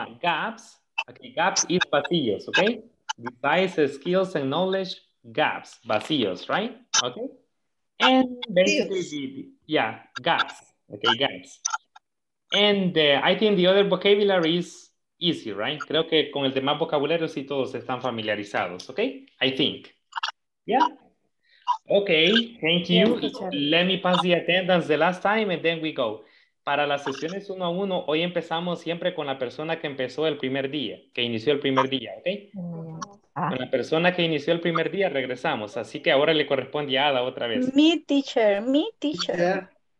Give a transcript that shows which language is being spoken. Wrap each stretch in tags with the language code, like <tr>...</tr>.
<en>Gaps, okay, gaps is vacíos, okay? Devices, skills, and knowledge, gaps, vacíos, right? Okay? And basically, yeah, gaps. Okay, gaps. And I think the other vocabulary is easy, right?</en> <es>Creo que con el demás vocabulario sí todos están familiarizados, okay?</es> <en>I think. Yeah. Okay, thank you. Let me pass the attendance the last time and then we go.</en> <es>Para las sesiones uno a uno, hoy empezamos siempre con la persona que empezó el primer día, que inició el primer día, okay? Con la persona que inició el primer día, regresamos. Así que ahora le corresponde a Ada otra vez. Mi teacher.</es> <en>Yeah.</en>